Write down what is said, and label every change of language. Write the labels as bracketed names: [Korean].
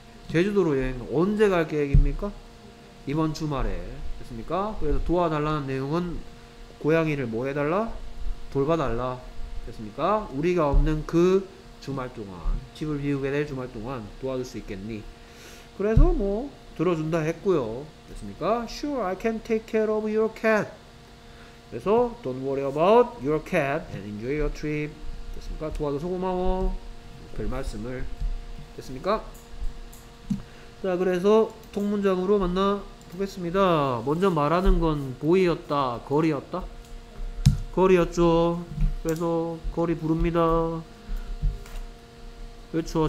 [Korean] 제주도로 여행 언제 갈 계획입니까? 이번 주말에 됐습니까? 그래서 도와달라는 내용은 고양이를 뭐 해달라? 돌봐달라 됐습니까? 우리가 없는 그 주말 동안 집을 비우게 될 주말 동안 도와줄 수 있겠니? 그래서 뭐 들어준다 했고요 됐습니까? [English] Sure, I can take care of your cat. 그래서 Don't worry about your cat and enjoy your trip. [Korean] 됐습니까? 도와줘서 고마워 별 말씀을 됐습니까? 자 그래서 통문장으로 만나 보겠습니다. 먼저 말하는 건 보이였다, 거리였다? 거리였죠. 그래서 거리 부릅니다. 그렇죠.